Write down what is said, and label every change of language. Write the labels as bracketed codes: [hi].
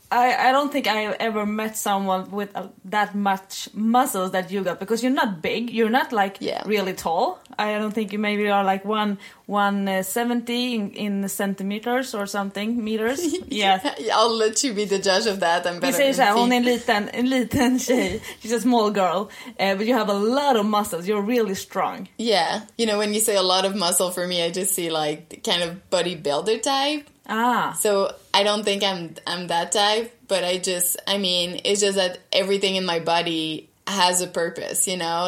[en] I don't think I ever met someone with that much muscles that you got, because you're not big. You're not like really tall. I don't think you maybe are like 170 in centimeters or something, meters. Yeah. I'll let you be the judge of that. I'm better. You say so, [sv] hon är en liten tjej. [en] She's a small girl, but you have a lot of muscles. You're really strong. Yeah. You know, when you say a lot of muscle, for me, I just see like kind of bodybuilder type. Ah. So I don't think I'm that type, but I mean, it's just that everything in my body has a purpose, you know?